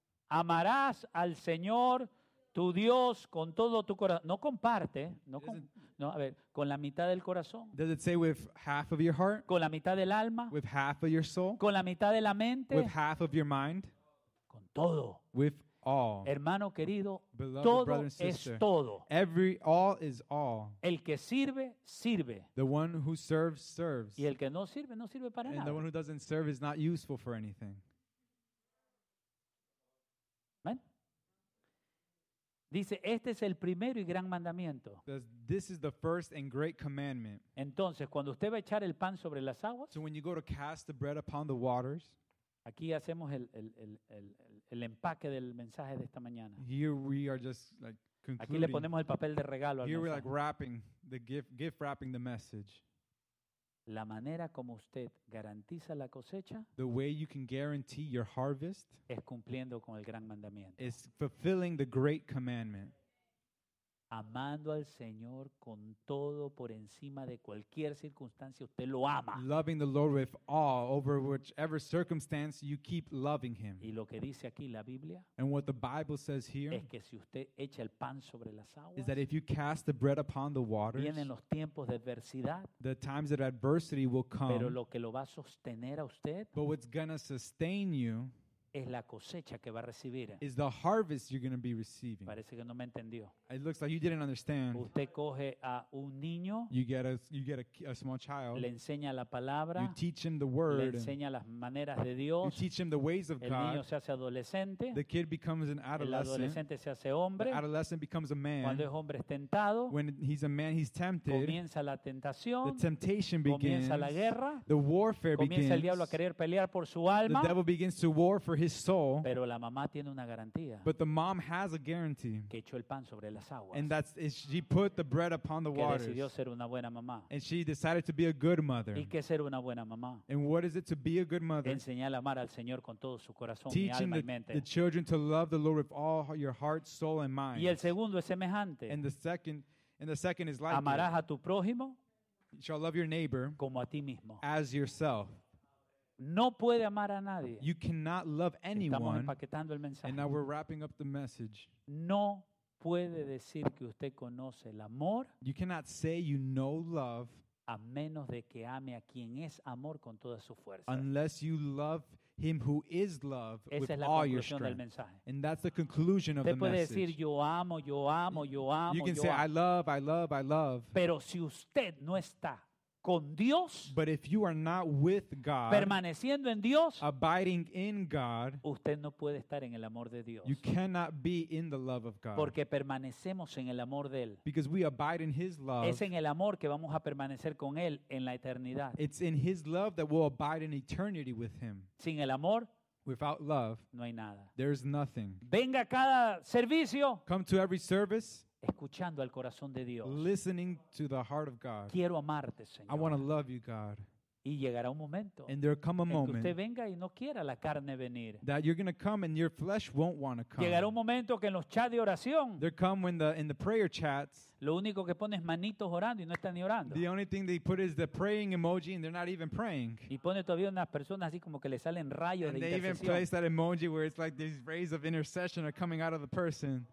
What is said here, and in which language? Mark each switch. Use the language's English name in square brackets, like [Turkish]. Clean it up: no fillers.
[Spanish] Amarás al Señor tu Dios con todo tu corazón. No comparte, con la mitad del corazón. [English] Does it say with half of your heart? [Spanish] Con la mitad del alma. [English] With half of your soul. [Spanish] Con la mitad de la mente. [English] With half of your mind. [Spanish] Todo. [English] With all. [Spanish] Hermano querido, [English] beloved [Spanish] todo [English] brother and sister, [Spanish] es todo. [English] Every all is all. [Spanish] El que sirve, sirve. [English] The one who serves, serves. [Spanish] Y el que no sirve, no sirve para [English] and [Spanish] nada. [English] And the one who doesn't serve is not useful for anything. [Spanish] ¿Ven? Dice, este es el primero y gran mandamiento. [English] This is the first and great commandment. [Spanish] Entonces, cuando usted va a echar el pan sobre las aguas, [English] so when you go to cast the bread upon the waters, [Spanish] aquí hacemos el empaque del mensaje de esta mañana. [English] Here we are just like concluding. [Spanish] Aquí le ponemos el papel de regalo al [English] here We're like wrapping the gift wrapping the message. [Spanish] La manera como usted garantiza la cosecha, [English] the way you can guarantee your harvest, [Spanish] es cumpliendo con el gran mandamiento. [English] Is fulfilling the great commandment. [Spanish] Amando al Señor con todo por encima de cualquier circunstancia, usted lo ama. [English] Loving the Lord with awe over whichever circumstance you keep loving him. [Spanish] Y lo que dice aquí la Biblia, [English] and what the Bible says here, [Spanish] es que si usted echa el pan sobre las aguas, [English] is that if you cast the bread upon the waters, [Spanish] vienen los tiempos de adversidad, [English] the times of adversity will come, [Spanish] pero lo que lo va a sostener a usted, [English] but what's gonna sustain you, [Spanish] es la cosecha que va a recibir. [English] Is the harvest you're going to be receiving. [Spanish] Parece que no me entendió. [English] It looks like you didn't understand. [Spanish] Usted coge a un niño. [English] You get a small child. [Spanish] Le enseña la palabra. [English] You teach him the word. [Spanish] Le enseña las maneras de Dios. [English] You teach him the ways of God. [Spanish] El niño se hace adolescente. [English] The kid becomes an adolescent. [Spanish] El adolescente se hace hombre. [English] The adolescent becomes a man. [Spanish] Cuando es hombre es tentado. [English] When he's a man, he's tempted. [Spanish] Comienza la tentación. [English] The temptation begins. [Spanish] Comienza la guerra. [English] The warfare [Spanish] comienza [English] begins. [Spanish] Comienza el diablo a querer pelear por su alma. [English] The devil begins to war for his soul. [Spanish] Pero la mamá tiene una garantía. [English] But the mom has a guarantee. [Spanish] Que echó el pan sobre las aguas. [English] And that's is she put the bread upon the waters. [Spanish] Que decidió ser una buena mamá. [English] And she decided to be a good mother. [Spanish] ¿Y qué ser una buena mamá? [English] And what is it to be a good mother? [Spanish] Enseñar a amar al Señor con todo su corazón, [English] teaching [Spanish] mi alma y mente. [English] The children to love the Lord with all your heart, soul and mind. [Spanish] Y el segundo es semejante. [English] And the second is like [Spanish] amarás a tu prójimo. [English] You shall love your neighbor [Spanish] como a ti mismo. [English] As yourself. [Spanish] No puede amar a nadie. [English] You cannot love anyone. [Spanish] Estamos empaquetando el mensaje. [English] And now we're wrapping up the message. [Spanish] No puede decir que usted conoce el amor. [English] You cannot say you know love. [Spanish] A menos de que ame a quien es amor con toda su fuerza. [English] Unless you love him who is love [Spanish] esa [English] with all your strength. [Spanish] Del mensaje. [English] And that's the conclusion of the message. [Spanish] Usted puede decir yo amo, yo amo, yo amo. [English] You can [Spanish] yo [English] say [Spanish] amo. [English] I love, I love, I love. [Spanish] Pero si usted no está con Dios, [English] but if you are not with God, [Spanish] permaneciendo en Dios, [English] abiding in God, [Spanish] usted no puede estar en el amor de Dios. [English] You cannot be in the love of God. [Spanish] Porque permanecemos en el amor de él. [English] Because we abide in his love. [Spanish] Es en el amor que vamos a permanecer con él en la eternidad. [English] It's in his love that we'll abide in eternity with him. [Spanish] Sin el amor, [English] without love, [Spanish] no hay nada. [English] There's nothing. [Spanish] Venga cada servicio. [English] Come to every service. [Spanish] Escuchando al corazón de Dios. [English] Listening to the heart of God. [Spanish] Quiero amarte, Señor. [English] I want to love you, God. [Spanish] Y llegará un momento. [English] And there come a moment. [Spanish] Que usted venga y no quiera la carne venir. [English] That you're going to come and your flesh won't want to come. [Spanish] Llegará un momento que en los chats de oración. [English] There come when in the prayer chats. [Spanish] Lo único que pone es manitos orando y no están ni orando. [English] The only thing they put is the praying emoji and they're not even praying. [Spanish] Y pone todavía unas personas así como que le salen rayos [English] and [Spanish] de intercesión. [English] And they even place that emoji where it's like these rays of intercession are coming out of the person.